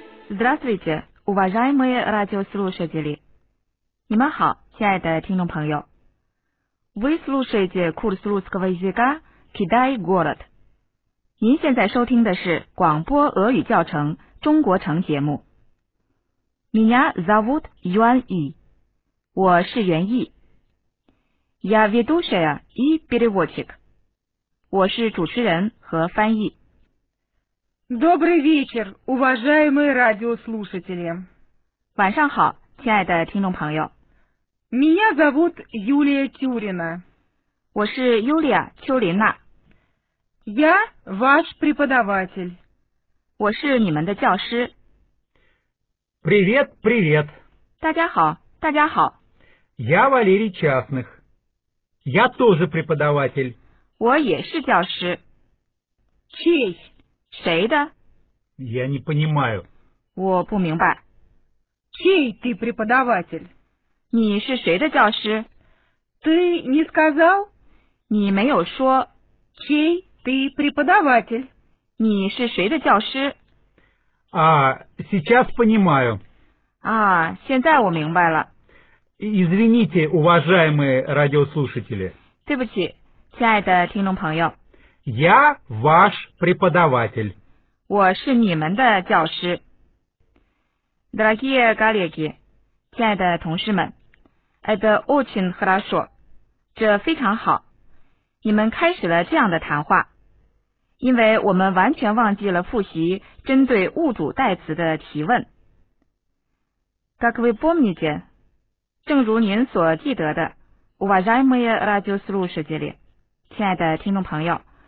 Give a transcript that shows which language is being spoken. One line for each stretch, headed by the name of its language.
Russian: Здравствуйте, уважаемые радиослушатели.
Chinese: 你们好，亲爱的听众朋友。
Russian: Вы слушаете курс русского языка Китай город.
Chinese: 您现在收听的是广播俄语教程中国城节目。
Russian: Меня зовут Юан И. 我是袁毅。 Я ведущая и переводчик. 我是主持人和翻译。 Добрый вечер, уважаемые радиослушатели.
Chinese: 晚上好，亲爱的听众朋友。
Russian: Меня зовут Юлия Тюрина.
Chinese: 我是 Юлия 丘琳娜。
Russian: Я ваш преподаватель.
Chinese: 我是你们的教师。
Russian: Привет, привет.
Chinese: 大家好，大家好。
Russian: Я Валерий Частных. Я тоже преподаватель.
Chinese: 我也是教师。
Russian: Чей?
Chinese: 谁的？
Russian: Я не понимаю.
Chinese: 我不明白。
Russian: Чей ты преподаватель?
Chinese: 你是谁的教师？
Russian: Ты не сказал?
Chinese: 你没有说。
Russian: Чей ты преподаватель?
Chinese: 你是谁的教师？
Russian: А, сейчас понимаю.
Chinese: 啊，现在我明白了。
Russian: Извините, уважаемые радиослушатели.
Chinese: 对不起，亲爱的听众朋友。
Russian: Я ваш преподаватель.
Chinese: 我是你们的教师。
Russian: Дорогие коллеги, 亲爱的同事们， это очень хорошо.
Chinese: 这非常好。你们开始了这样的谈话，因为我们完全忘记了复习针对物主代词的提问。
Russian: Как вы помните? 正如您所记得的， уважаемые радиослушатели, 亲爱的听众朋友。